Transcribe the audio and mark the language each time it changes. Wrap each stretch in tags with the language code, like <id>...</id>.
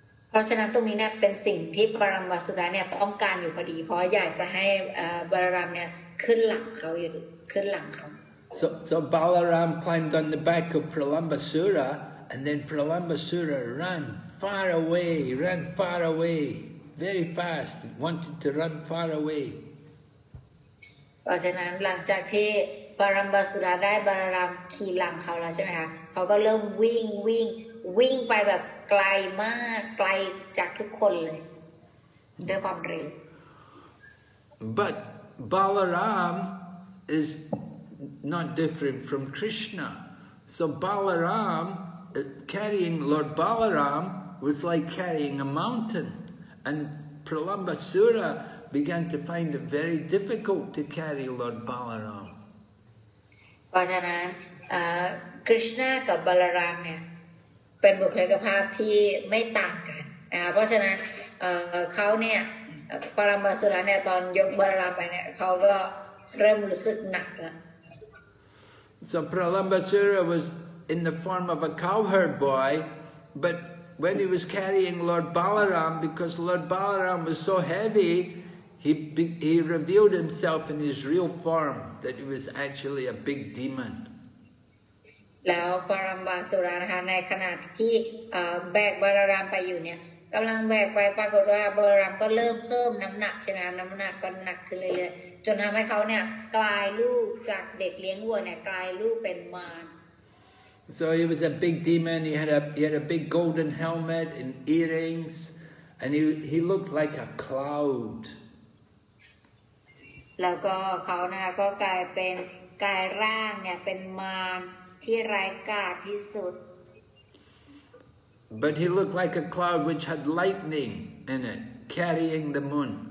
<th>เพราะฉะนั้นตรงนี้เนี่ยเป็นสิ่งที่บาลามสุดาเนี่ยต้องการอยู่พอดีเพราะอยากจะให้บาลารามเนี่ยขึ้นหลังเขาอยู่ขึ้นหลังเขา</th> <en>So Balaram climbed on the back of Pralambasura and then Pralambasura ran far away very fast wanted to run far away</en> <th>เพราะฉะนั้นหลังจากที่บาลามบาสุราได้บาลารามขี่หลังเขาแล้วใช่ไหมคะเขาก็เริ่มวิ่งไปแบบไกลมากไกลจากทุกคนเลยด้วยความเร็ว</th> <en>But Balaram is not different from Krishna so Balaram carrying Lord Balaram was like carrying a mountain and Pralambasura began to find it very difficult to carry Lord Balaram.</en> <th>เพราะฉะนั้นคริชนากับบาลารามเนี่ยเป็นบุคลิกภาพที่ไม่ต่างกันนะเพราะฉะนั้นเขาเนี่ยปรมาสุรเนี่ยตอนยกบาลารามไปเนี่ยเขาก็เริ่มรู้สึกหนักแล้ว</th> <en>So Pralambasura was in the form of a cowherd boy but when he was carrying Lord Balaram because Lord Balaram was so heavyHe revealed himself in his real form that he was actually a big demon.</en> <th>แล้วบาลามบาสุรานะคะในขณะที่แบกบาลารามไปอยู่เนี่ยกำลังแบกไปปรากฏว่าบาลารามก็เริ่มเพิ่มน้ำหนักใช่ไหมน้ำหนักก็หนักขึ้นเรื่อยๆจนทำให้เขาเนี่ยกลายลูกจากเด็กเลี้ยงวัวเนี่ยกลายลูกเป็นมาร</th> <en>So he was a big demon. He had a big golden helmet and earrings, and he looked like a cloud.</en> <th>แล้วก็เขานะคะก็กลายร่างเนี่ยเป็นมารที่ร้ายกาจที่สุด</th> <en>But he looked like a cloud which had lightning in it carrying the moon</en>